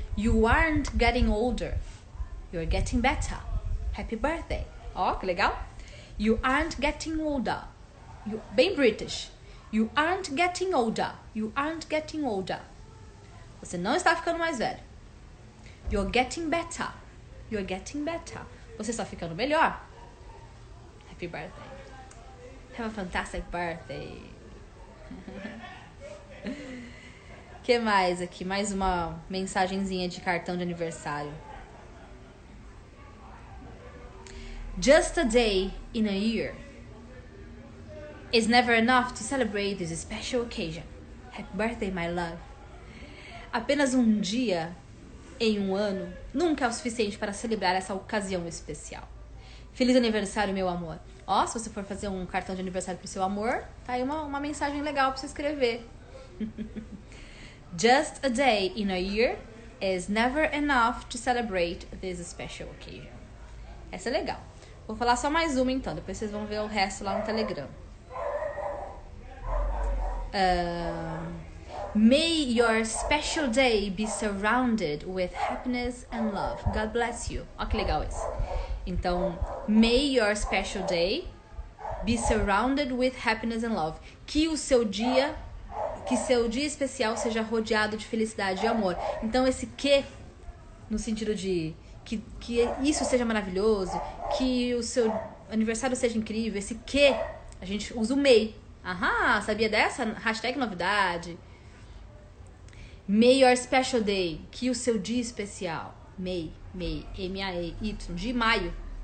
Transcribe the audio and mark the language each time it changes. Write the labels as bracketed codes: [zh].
[en] You aren't getting older. You're getting better. Happy birthday. [pt] Ó, que legal. [en] You aren't getting older. [pt] Bem British. [en] You aren't getting older. You aren't getting older. [pt] Você não está ficando mais velho. [en] You're getting better. You're getting better. [pt] Você está ficando melhor. [en] Happy birthday. Have a fantastic birthday. [pt] Que mais aqui? Mais uma mensagenzinha de cartão de aniversário. [en] Just a day in a year. It's never enough to celebrate this special occasion. Happy birthday, my love. [pt] Apenas um dia em um ano nunca é o suficiente para celebrar essa ocasião especial. Feliz aniversário, meu amor. Ó, se você for fazer um cartão de aniversário pro seu amor, tá aí uma mensagem legal para você escrever. [en] Just a day in a year. is never enough to celebrate this special occasion. [pt] Essa é legal. Vou falar só mais uma então, depois vocês vão ver o resto lá no Telegram. [en] May your special day be surrounded with happiness and love. God bless you. [pt] Olha que legal isso. [en] Então, may your special day be surrounded with happiness and love. [pt] Que seu dia especial seja rodeado de felicidade e amor. Então, esse que, no sentido de que isso seja maravilhoso, que o seu aniversário seja incrível, esse que, a gente usa o may. Aham, sabia dessa? Hashtag novidade. [en] May your special day, [pt] que o seu dia especial, May, M-A-E-Y, de maio.